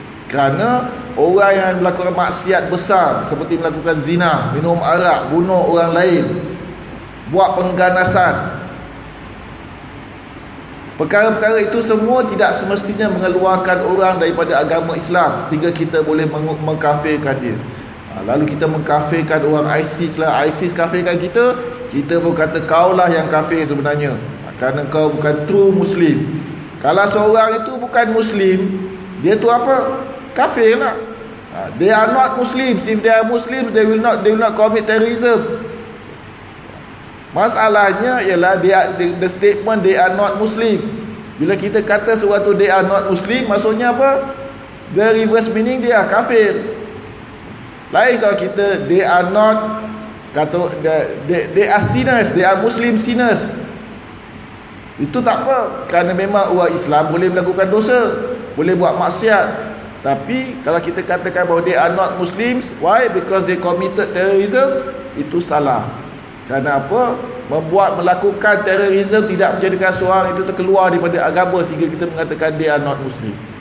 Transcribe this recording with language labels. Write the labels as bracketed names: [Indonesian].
[Malay] Kerana orang yang melakukan maksiat besar seperti melakukan zina, minum arak, bunuh orang lain, buat pengganasan, perkara-perkara itu semua tidak semestinya mengeluarkan orang daripada agama Islam sehingga kita boleh mengkafirkan dia. Lalu kita mengkafirkan orang ISIS lah, ISIS kafirkan kita, kita pun kata kaulah yang kafir sebenarnya, kerana kau bukan [English] true Muslim. [Malay] Kalau seorang itu bukan Muslim, dia tu apa? Kafir lah. [English] They are not Muslim. If they are Muslim, they will not commit terrorism. [Malay] Masalahnya ialah [English] the statement they are not Muslim. [Malay] Bila kita kata sesuatu [English] they are not Muslim, [Malay] maksudnya apa? [English] The reverse meaning [Malay] dia kafir. Lain kalau kita [English] they are not, kata they are sinners, they are Muslim sinners. [Malay] Itu tak apa, kerana memang orang Islam boleh melakukan dosa, boleh buat maksiat. Tapi kalau kita katakan bahawa [English] they are not Muslims, why? Because they committed terrorism, [Malay] itu salah. Kerana apa? Membuat melakukan terrorism tidak menjadikan seorang itu terkeluar daripada agama sehingga kita mengatakan [English] they are not Muslim.